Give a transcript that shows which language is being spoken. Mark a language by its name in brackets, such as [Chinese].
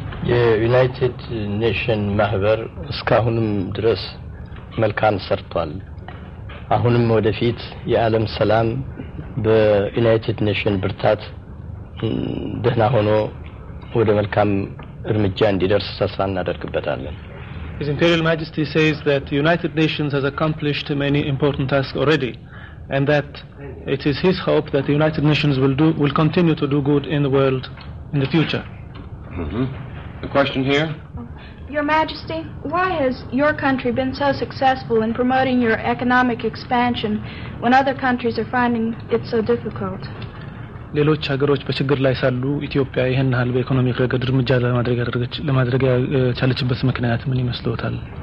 [Amharic] የዩናይትድ ኔሽን ማህበር እስካሁንም ድረስ መልካም ሰርቷል። አሁንም ወደፊት የዓለም ሰላም በዩናይትድ ኔሽን ብርታት ደህና ሆኖ ወደ መልካም እርምጃ እንዲደርስ ተስፋ እናደርግበታለን። [English] His Imperial Majesty says that the United Nations has accomplished many important tasks already, and that it is his hope that the United Nations will continue to do good in the world in the future. Mm-hmm. A question here. Your Majesty, why has your country been so successful in promoting your economic expansion when other countries are finding it so difficult? [Amharic] ሌሎች ሀገሮች በችግር ላይ ሳሉ ኢትዮጵያ ይሄን ሀል በኢኮኖሚክ ረገድ ምጃ ለማድረግ ቻለችበት ምክንያት ምን ይመስላል?